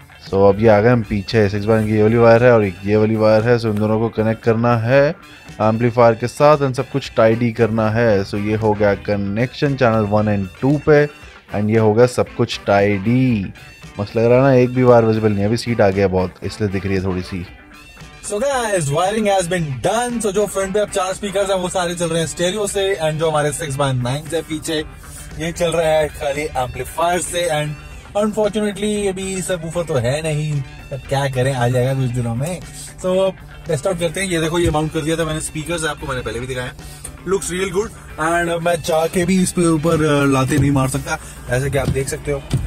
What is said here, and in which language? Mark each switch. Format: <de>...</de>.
<hi>सो अब ये आ गए हम पीछे, 6x9 की ये वाली वायर है और एक ये वाली वायर है, सो इन दोनों को कनेक्ट करना है एम्पलीफायर के साथ एंड सब कुछ टाइडी करना है. सो ये हो गया कनेक्शन चैनल 1 एंड 2 पे, एंड ये हो गया सब कुछ टाइडी. मस्त लग रहा है ना, एक भी वायर विजिबल नहीं, अभी सीट आ गया बहुत इसलिए दिख रही है थोड़ी सी.</hi> <en>So guys, wiring has been done.</en> <hi>So जो फ्रंट पे अब चार स्पीकर्स हैं वो सारे चल रहे हैं स्टेरियो से, एंड जो हमारे 6x9 है पीछे ये चल रहा है खाली एम्पलीफायर से, एंड अनफॉर्चुनेटली अभी सब ऊपर तो है नहीं, तब क्या करें, आ जाएगा कुछ दिनों में. सो टेस्ट आउट करते हैं, ये देखो ये माउंट कर दिया था मैंने स्पीकर्स, आपको मैंने पहले भी दिखाया, लुक्स रियल गुड, एंड मैं चाह के भी इसके ऊपर लाते नहीं मार सकता ऐसे कि आप देख सकते हो.</hi>